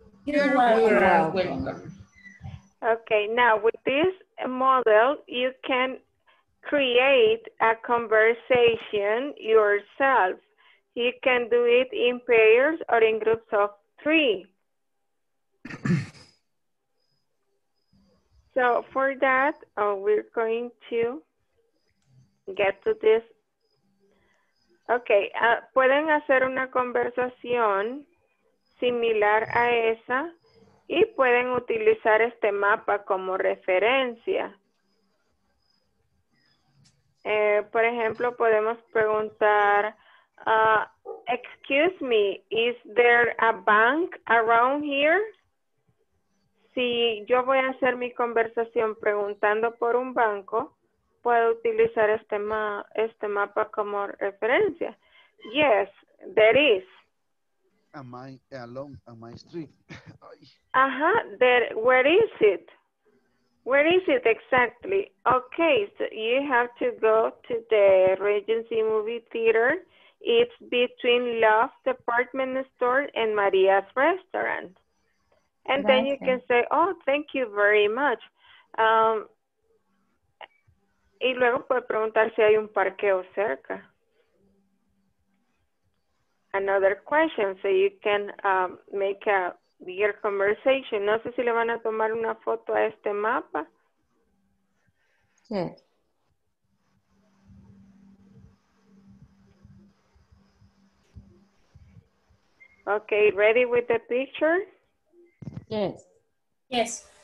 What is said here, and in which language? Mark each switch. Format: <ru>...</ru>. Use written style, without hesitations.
<en>Okay, now with this model, you can create a conversation yourself. You can do it in pairs or in groups of three. So for that, we're going to get to this.</en> <es>Okay, pueden hacer una conversación similar a esa y pueden utilizar este mapa como referencia. Por ejemplo, podemos preguntar,</es> <en>excuse me, is there a bank around here?</en> <es>Si yo voy a hacer mi conversación preguntando por un banco, puedo utilizar este mapa como referencia.</es> <en>Yes, there is. Along my street. Ajá, where is it exactly? Okay, so you have to go to the Regency Movie Theater. It's between Love's Department Store and Maria's Restaurant. And then you can say, oh, thank you very much.</en> <es>Y luego puede preguntar si hay un parqueo cerca.</es> <en>Another question, so you can make a bigger conversation.</en> <es>No sé si le van a tomar una foto a este mapa. Sí. Yeah.</es> <en>Okay, ready with the picture? Yes.</en>